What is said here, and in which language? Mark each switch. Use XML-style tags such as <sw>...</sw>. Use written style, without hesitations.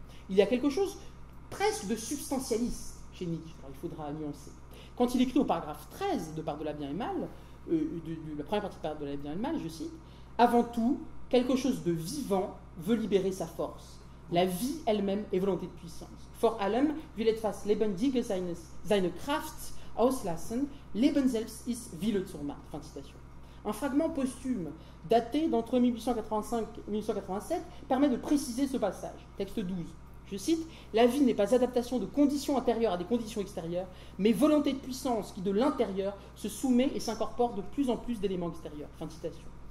<fr>Il y a quelque chose presque de substantialiste chez Nietzsche, alors il faudra nuancer. Quand il écrit au paragraphe 13 de Par-delà bien et mal, la première partie de Par-delà bien et mal, je cite, avant tout, quelque chose de vivant veut libérer sa force. La vie elle-même est volonté de puissance.</fr> <de>For allem will etwas lebendiges seine Kraft auslassen. Leben selbst ist Wille zur Macht.</de> <fr>Fin citation. Un fragment posthume daté d'entre 1885-1887 permet de préciser ce passage. Texte 12. Je cite, la vie n'est pas adaptation de conditions intérieures à des conditions extérieures, mais volonté de puissance qui de l'intérieur se soumet et s'incorpore de plus en plus d'éléments extérieurs. Fin citation.</fr>